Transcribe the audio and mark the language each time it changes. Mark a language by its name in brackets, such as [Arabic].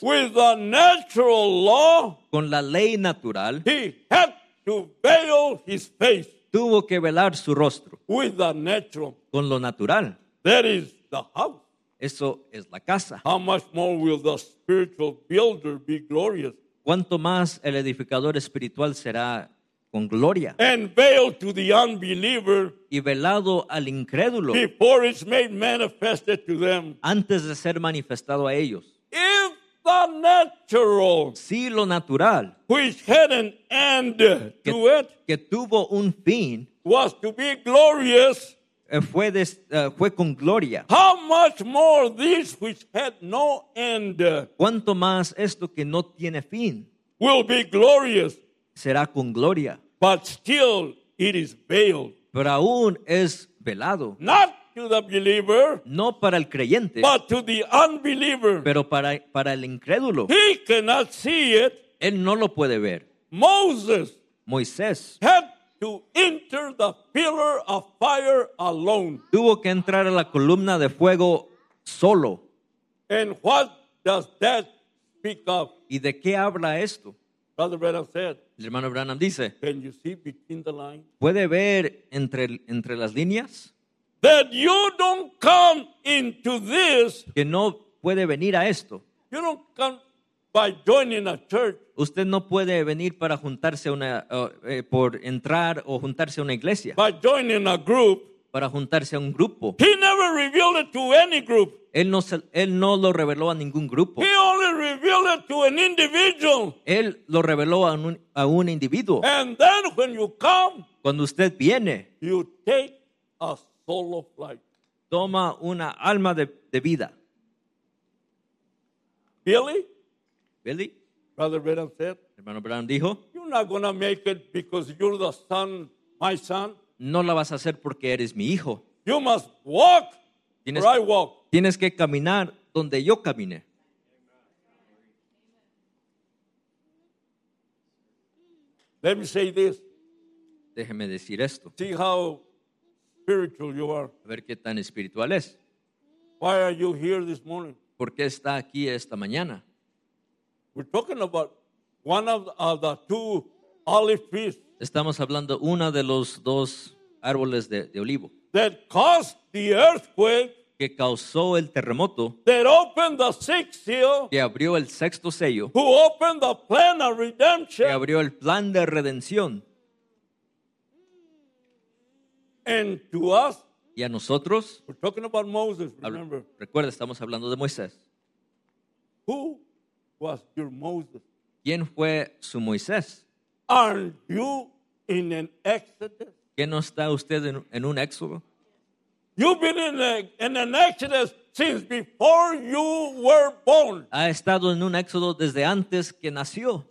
[English] With the natural law. [Spanish] Con la ley natural. [English] He had to veil his face. [Spanish] Tuvo que velar su rostro. [English] With the natural. [Spanish] Con lo natural. [English] That is the house. [Spanish] Eso es la casa. [English] How much more will the spiritual builder be glorious? [Spanish] ¿Cuánto más el edificador espiritual será con gloria? [English] And veiled to the unbeliever. [Spanish] Y velado al incrédulo. [English] Before it's made manifested to them. [Spanish] Antes de ser manifestado a ellos. [English] If the natural. [Spanish] Si lo natural. [English] Which had an end [Spanish] que, [English] to it. [Spanish] Que tuvo un fin. [English] Was to be glorious. [Spanish] Fue con gloria. [English] How much more this which had no end. [Spanish] ¿Cuánto más esto que no tiene fin? [English] Will be glorious. [Spanish] Será con gloria. [English] But still it is veiled. [Spanish] Pero aún es velado. [English] Not to the believer. [Spanish] No para el creyente. [English] But to the unbeliever. [Spanish] Pero para el incrédulo. [English] He cannot see it. [Spanish] Él no lo puede ver. [English] Moses. [Spanish] Moisés. [English] Had to enter the pillar of fire alone. [Spanish] Tuvo que entrar a la columna de fuego solo. [English] And what does that speak of? [Spanish] ¿Y de qué habla esto? [English] Brother Branham said. [Spanish] El hermano Branham dice. [English] Can you see between the lines? [Spanish] ¿Puede ver entre las líneas? [English] That you don't come into this. [Spanish] Que no puede venir a esto. [English] You don't come by joining a church. [Spanish] Usted no puede venir para juntarse una por entrar o juntarse a una iglesia. [English] By joining a group. [Spanish] Para juntarse a un grupo. [English] He never revealed it to any group. [Spanish] Él no lo reveló a ningún grupo. [English] He only revealed it to an individual. [Spanish] Él lo reveló a un individuo. [English] And then when you come, [Spanish] cuando usted viene, [English] you take a soul of life. [Spanish] Toma una alma de vida. [English] Billy? Brother Branham said. [Spanish] Hermano Branham dijo. [English] You're not gonna make it because you're the son, my son. [Spanish] No la vas a hacer porque eres mi hijo. [English] You must walk where I walk. [Spanish] Tienes que caminar donde yo caminé. [English] Let me say this. [Spanish] Déjeme decir esto. [English] See how spiritual you are. [Spanish] A ver qué tan espiritual es. [English] Why are you here this morning? [Spanish] ¿Por qué está aquí esta mañana? [English] We're talking about one of the two olive trees. [Spanish] Estamos hablando una de los dos árboles de olivo. [English] That caused the earthquake. [Spanish] Que causó el terremoto. [English] That opened the sixth seal. [Spanish] Que abrió el sexto sello. [English] Who opened the plan of redemption. [Spanish] Que abrió el plan de redención. [English] And to us. [Spanish] Y a nosotros. [English] We're talking about Moses, remember. [Spanish] Recuerda, estamos hablando de Moisés. [English] Who was your Moses? [Spanish] ¿Quién fue su Moisés? [English] Are you in an exodus? [Spanish] ¿Qué no está usted en un éxodo? [English] You've been in an exodus since before you were born. [Spanish] Ha estado en un éxodo desde antes que nació.